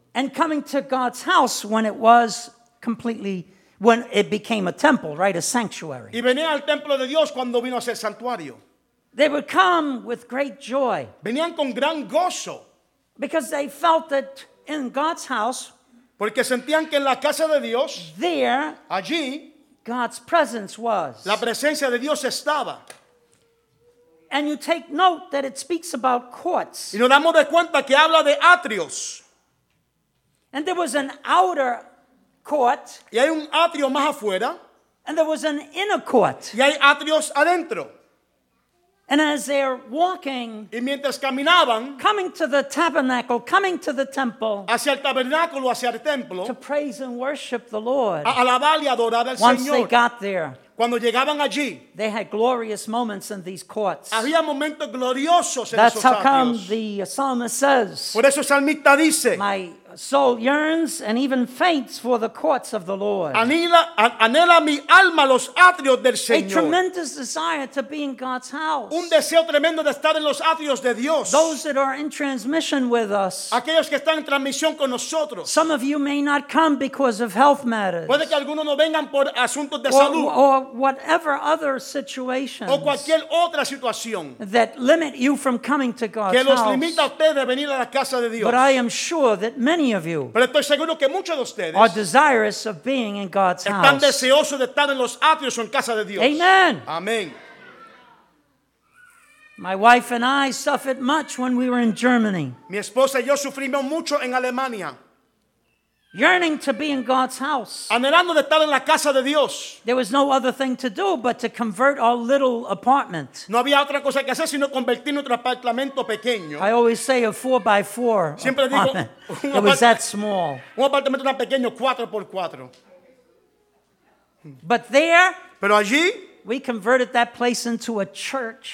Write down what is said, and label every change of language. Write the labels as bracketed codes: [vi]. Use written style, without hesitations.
[en] And coming to God's house when it was completely, when it became a temple, right, a sanctuary. [es] Y venía al templo de Dios cuando vino a ser santuario. [en] They would come with great joy. [es] Venían con gran gozo. [en] Because they felt that in God's house, [es] porque sentían que en la casa de Dios, [en] there, [es] allí, [en] God's presence was. [es] La presencia de Dios estaba. [en] And you take note that it speaks about courts. [es] Y nos damos de cuenta que habla de atrios. [en] And there was an outer court. [es] Y hay un atrio más afuera. [en] And there was an inner court. [es] Y hay atrios adentro. [en] And as they're walking, [es] y mientras caminaban, [en] coming to the tabernacle, coming to the temple, [es] hacia el tabernáculo, hacia el templo, [en] to praise and worship the Lord, [es] a alabar y adorar al [en] once [es] Señor, [en] they got there, [es] cuando llegaban allí, [en] they had glorious moments in these courts. [es] Había momentos gloriosos en [en] that's [es] esos [en] how [es] atrios. [en] Come the psalmist says, [es] por eso el salmista dice, [en] my soul yearns and even faints for the courts of the Lord. [es] Anhela mi alma los atrios del Señor. [en] A tremendous desire to be in God's house. [es] Un deseo tremendo de estar en los atrios de Dios. [en] Those that are in transmission with us. [es] Aquellos que están en transmisión con nosotros. [en] Some of you may not come because of health matters. [es] Puede que algunos no vengan por asuntos de [en] or, [es] salud. [en] Or whatever other situations. [es] O cualquier otra situación. [en] That limit you from coming to God's house. [es] Que los limita a ustedes de venir a la casa de Dios. [en] But I am sure that many of you [es] pero estoy seguro que muchos de ustedes [en] are desirous of being in God's [es] están Están deseosos de estar en los atrios o en casa de Dios. [en] Amen. [es] Amén. [en] My wife and I suffered much when we were in Germany. [es] Mi esposa y yo sufrimos mucho en Alemania. [en] Yearning to be in God's house. [es] Anhelando de estar en la casa de Dios. [en] There was no other thing to do but to convert our little apartment. [es] No había otra cosa que hacer sino convertir nuestro apartamento pequeño. [en] I always say a 4x4 [es] siempre [en] apartment. [es] Digo, [en] it was that small. [es] Un apartamento tan pequeño, 4x4. [en] But there, [es] pero allí, [en] we converted that place into a church,